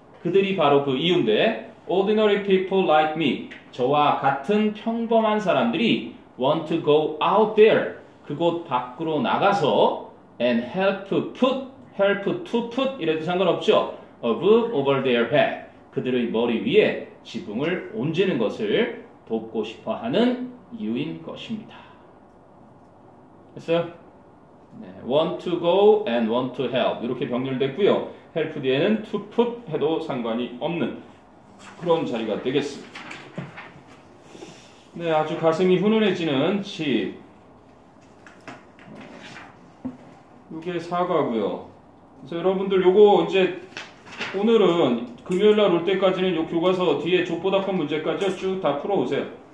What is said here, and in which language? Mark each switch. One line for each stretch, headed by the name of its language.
Korean: 그들이 바로 그 이유인데
English: Ordinary people like me,
Korean: 저와 같은 평범한 사람들이
English: want to go out there,
Korean: 그곳 밖으로 나가서
English: and help to put
Korean: 이래도 상관없죠.
English: A roof over their head,
Korean: 그들의 머리 위에 지붕을 얹는 것을 돕고 싶어 하는 이유인 것입니다. 됐어요? 네, want to go and want to help 이렇게 병렬됐고요. help 뒤에는 to put 해도 상관이 없는 그런 자리가 되겠습니다. 네, 아주 가슴이 훈훈해지는 집. 이게 사과고요. 그래서 여러분들 요거 이제 오늘은 금요일날 올 때까지는 요 교과서 뒤에 족보답변 문제까지 쭉 다 풀어오세요.